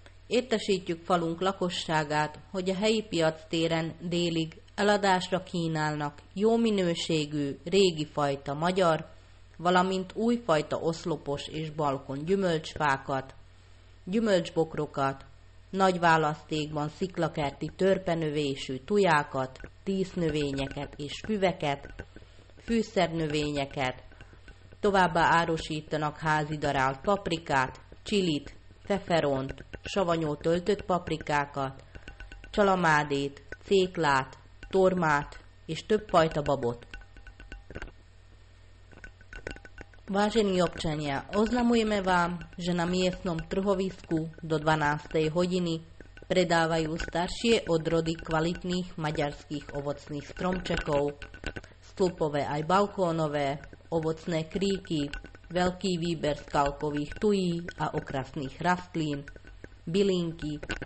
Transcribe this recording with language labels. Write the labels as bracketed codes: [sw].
[hu] Értesítjük falunk lakosságát, hogy a helyi piac téren délig eladásra kínálnak jó minőségű, régi fajta magyar, valamint újfajta oszlopos és balkon gyümölcsfákat, gyümölcsbokrokat, nagy választékban sziklakerti törpenövésű tujákat, dísznövényeket és füveket, fűszernövényeket, továbbá árusítanak házi darált paprikát, csilit, feferont, savanyú töltött paprikákat, csalamádét, céklát, tormát és többfajta babot. [sk] Vážení občania, oznamujeme vám, že na miestnom trhovisku do 12. hodiny predávajú staršie odrody kvalitných maďarských ovocných stromčekov, stĺpové aj balkónové, ovocné kríky, veľký výber skalkových tují a okrasných rastlín, bylinky,